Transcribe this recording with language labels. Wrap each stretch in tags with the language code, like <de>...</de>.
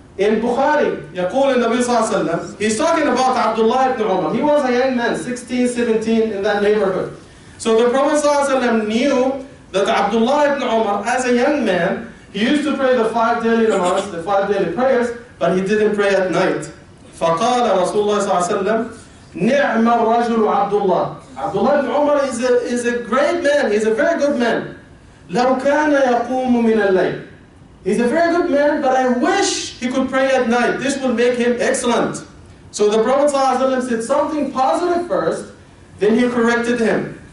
<en>In Bukhari,</en> <ar>يقول النبي صلى الله عليه وسلم,</ar> <en>he's talking about Abdullah ibn Umar. He was a young man, 16, 17, in that neighborhood. So the Prophet صلى الله عليه وسلم knew that Abdullah ibn Umar, as a young man, he used to pray the 5 daily namaz, the 5 daily prayers, but he didn't pray at night.</en> <ar>فقال رسول الله صلى الله عليه وسلم, نعم الرجل عبدالله.</ar> <en>Abdullah ibn Umar is a great man, he's a very good man.</en> <ar>لو كان يقوم من الليل.</ar> <en>He's a very good man, but I wish he could pray at night. This will make him excellent. So the Prophet ﷺ said something positive first, then he corrected him.</en>